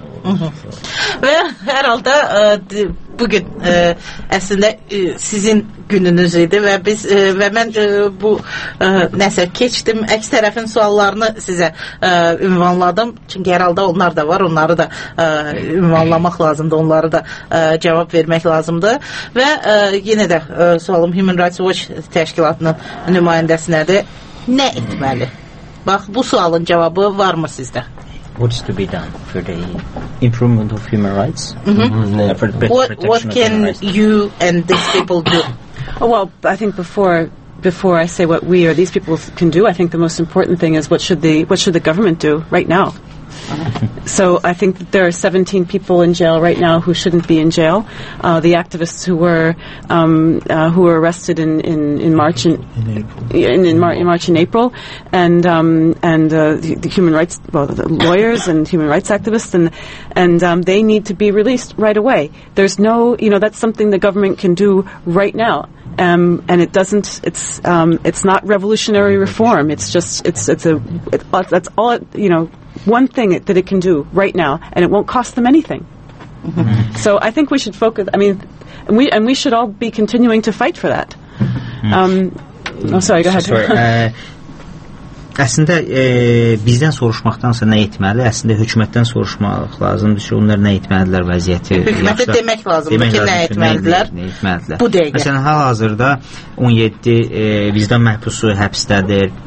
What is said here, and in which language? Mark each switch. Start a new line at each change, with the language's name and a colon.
Azerbaijani: Və hər halda bugün əslində sizin gününüz idi və biz və mən bu nəsə keçdim, əks tərəfin suallarını sizə ünvanladım, çünki hər halda onlar da var, onları da ünvanlamaq lazımdır, onları da cavab vermək lazımdır və yenə də sualım Human Rights Watch təşkilatının nümayəndəsinədir, nə etməli? Bax, bu sualın cavabı var mı sizdə?
English: What is to be done for the improvement of human rights? Mm-hmm. For the what can you and these people do? Oh, well, I think before I say what we or these people can do, I think the most important thing is what should the government do right now? So I think that there are 17 people in jail right now who shouldn't be in jail. The activists who were arrested in March and April, and the human rights, well, the lawyers and human rights activists, and they need to be released right away. There's no, you know, that's something the government can do right now. And it doesn't. It's not revolutionary reform. That's all. You know, one thing that it can do right now, and it won't cost them anything. Mm-hmm. So I think we should focus. I mean, we should all be continuing to fight for that. Go ahead.
Azerbaijani: Əslində bizdən soruşmaqdansa nə etməli? Əslində hökumətdən soruşmaq lazımdır ki, onlar nə etməlidirlər vəziyyəti? Hökumətə demək lazımdır ki, nə etməlidirlər. Bu dəqiqə. Məsələn, hal-hazırda 17 vicdan məhbusu həbsdədir.